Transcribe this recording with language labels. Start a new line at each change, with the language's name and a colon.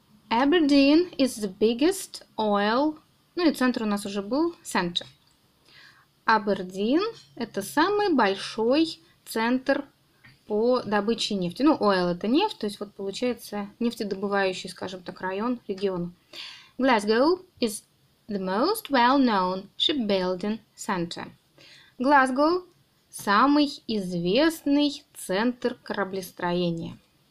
English: Aberdeen is the biggest oil.
Russian: Ну и центр у нас уже был. Center. Aberdeen – это самый большой центр по добыче нефти. Ну, oil – это нефть, то есть вот получается нефтедобывающий, скажем так, район, регион.
English: Glasgow is the most well-known shipbuilding center.
Russian: Глазго – самый известный центр кораблестроения.